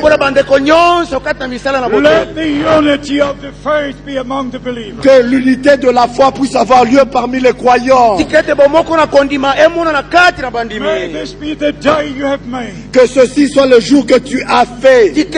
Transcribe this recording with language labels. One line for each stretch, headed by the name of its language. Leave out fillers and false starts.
English: Let the unity of the faith be among the believers.
French: Que l'unité de la foi puisse avoir lieu parmi les croyants.
English: May this be the day you have made.
French: Que ceci soit le jour que tu as fait.